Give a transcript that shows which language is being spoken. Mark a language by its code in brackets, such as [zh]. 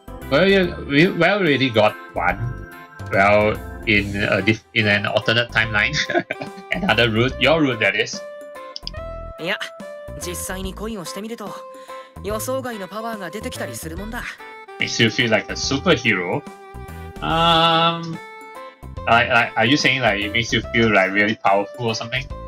[en] Well, we already got one. Well, in an alternate timeline, another route, your route that is. [ja] Yeah, 実際に恋をしてみると予想外のパワーが出てきたりするもんだ. [en] Makes you feel like a superhero. Are you saying like it makes you feel like really powerful or something?